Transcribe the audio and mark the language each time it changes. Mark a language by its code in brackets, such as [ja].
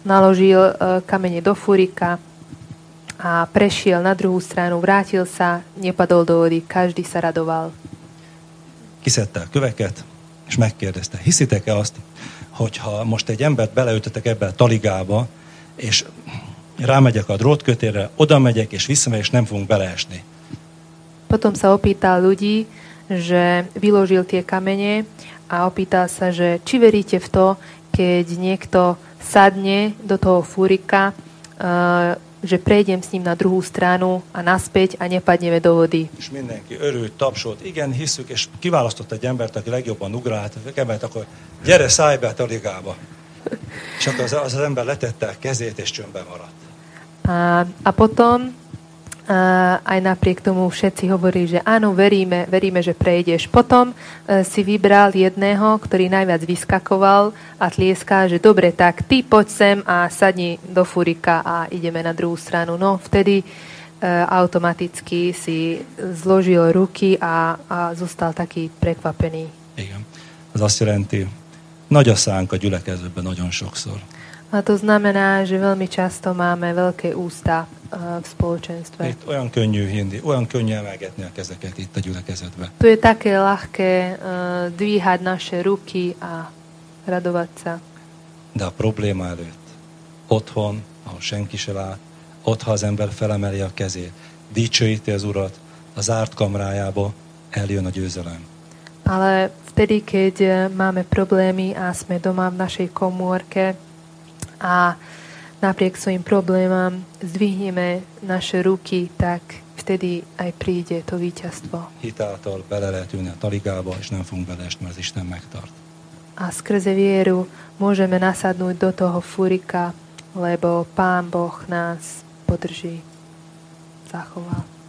[sk] Naložil kamene do fúrika a prešiel na druhú stranu, vrátil sa, nepadol do vody, každý sa radoval. [hu] Kiszedte a köveket, és megkérdezte, hiszitek-e azt, hogyha most egy embert beleütetek ebbe a taligába, és rámegyek a drótkötélre, oda megyek, és visszamegyek, és nem fogunk beleesni. [sk] Potom sa opýtal ľudí, že vyložil tie kamene a opýtal sa, že či veríte v to, keď niekto sadne do toho fúrika, že prejdem s ním na druhú stranu a naspäť a nepadneme do vody. [hu] És mindenki örült, tapsolt, igen, hiszük, és kiválasztott egy embert, aki legjobban ugrált, kemelt, akkor gyere, szállj be a taligába. És akkor az ember letette a kezét, és csömbben maradt. [sk] A potom, aj napriek tomu všetci hovorí, že áno, veríme, že prejdeš. Potom si vybral jedného, ktorý najviac vyskakoval a tlieská, že dobre, tak ty poď sem a sadni do fúrika a ideme na druhú stranu. No vtedy automaticky si zložil ruky a zostal taký prekvapený. [hu] Igen. Az azt jelenti, nagy a szánk a gyülekezőben nagyon sokszor. [sk] A to znamená, že veľmi často máme veľké ústa v spoločenstve. [hu] Itt olyan könnyű hindi, olyan könnyű emelgetni a kezeket itt a gyülekezetbe. [sk] Tu je také ľahké dvíhať naše ruky a radovať sa. [hu] De a probléma előtt, otthon, ahol senki se lát, ott, ha az ember felemeli a kezét, dicsőíti az urat, a zárt kamrájába eljön a győzelem. [sk] Ale vtedy, keď máme problémy a sme doma v našej komórke a napriek svojim problémam zdvihneme naše ruky, tak vtedy aj príde to víťazstvo. [hu] Hitáltal bele lehet ülni a taligába, és nem fogunk beleesni, mert az Isten megtart. [sk] A skrze vieru môžeme nasadnúť do toho fúrika, lebo Pán Boh nás podrží, zachová.